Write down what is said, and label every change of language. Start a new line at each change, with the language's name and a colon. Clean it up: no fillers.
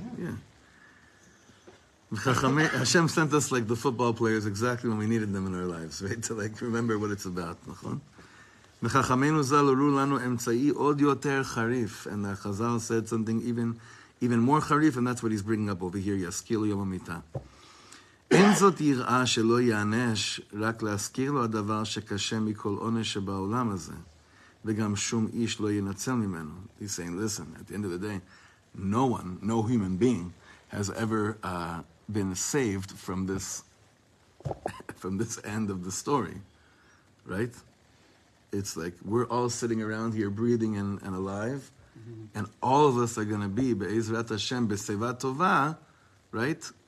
English: Yeah. Hashem sent us like the football players exactly when we needed them in our lives, right? To like remember what it's about. And the Chazal said something even more harif, and that's what he's bringing up over here.
Hebrew: Yaskil Yom HaMita. אין זאת יראה שלא יענש רק להזכיר לו הדבר שקשה מכל עונש שבעולם הזה, וגם שום איש לא ינצל ממנו.
English: He's saying, listen, at the end of the day, no one, no human being, has ever been saved from this end of the story, right? It's like we're all sitting around here breathing and alive, and all of us are going to be be'ezrat Hashem b'seva tova, right?